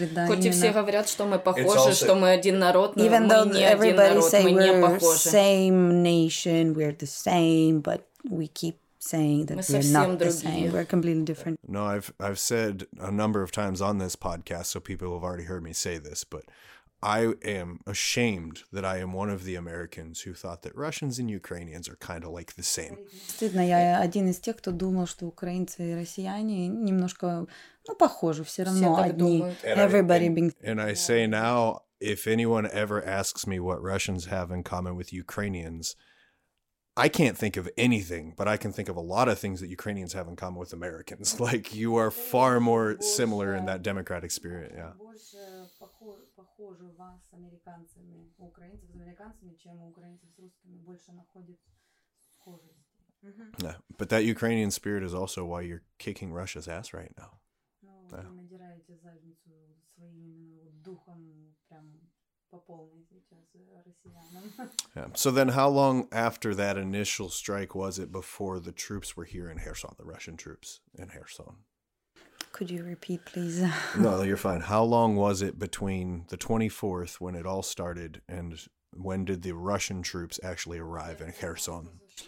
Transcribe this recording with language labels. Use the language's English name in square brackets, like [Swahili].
[Ukrainian] Хоть і всі говорять, що ми похожі, що ми один народ, ми не один народ, ми не похожі. [English] We're the same nation, we're the same, but we keep saying that we're not the same. We're completely different. No, I've said a number of times on this podcast, so people have already heard me say this, but I am ashamed that I am one of the Americans who thought that Russians and Ukrainians are kind of like the same. [Ukrainian] Стыдно, я один із тих, хто думав, що українці і росіяни немножко, ну, похожі, все равно одні. [English] Everybody being. And I say now, if anyone ever asks me what Russians have in common with Ukrainians, I can't think of anything, but I can think of a lot of things that Ukrainians have in common with Americans. Like, you are far more similar in that democratic spirit, yeah. [Ukrainian] Похоже вас з американцями, українців з американцями, чим українців з русскими більше знаходять схожості. [English] Yeah, but that Ukrainian spirit is also why you're kicking Russia's ass right now. [Ukrainian] Ви надираєте задницю своїм духом прямо по повній зараз росіянам. [English] So then how long after that initial strike was it before the troops were here in Kherson, the Russian troops in Kherson? Could you repeat, please? No, you're fine. How long was it between the 24th when it all started and when did the Russian troops actually arrive in Kherson?